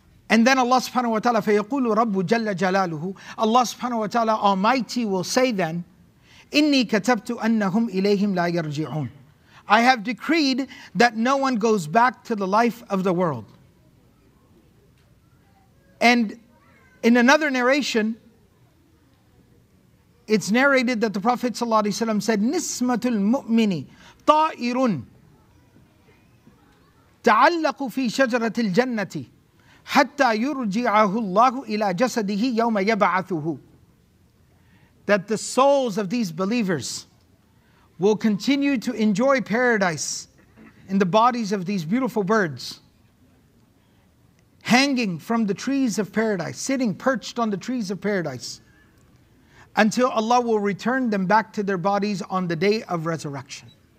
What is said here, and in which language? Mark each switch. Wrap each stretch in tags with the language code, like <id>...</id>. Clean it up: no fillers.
<en>And then Allah subhanahu wa ta'ala,</en> <ar>فَيَقُولُ رَبُّ جَلَّ جَلَالُهُ.</ar> <en>Allah subhanahu wa ta'ala, Almighty will say then,</en> <ar>إِنِّي كَتَبْتُ أَنَّهُمْ إِلَيْهِمْ لَا يَرْجِعُونَ.</ar> <en>I have decreed that no one goes back to the life of the world. And in another narration, it's narrated that the Prophet ﷺ said,</en> <ar>نِسْمَةُ الْمُؤْمِنِ طَائِرٌ تَعَلَّقُ فِي شَجَرَةِ الْجَنَّةِ حَتَّى يُرْجِعَهُ اللَّهُ إِلَىٰ جَسَدِهِ يَوْمَ يَبْعَثُهُ.</ar> <en>That the souls of these believers will continue to enjoy paradise in the bodies of these beautiful birds, hanging from the trees of paradise, sitting perched on the trees of paradise, until Allah will return them back to their bodies on the day of resurrection.</en>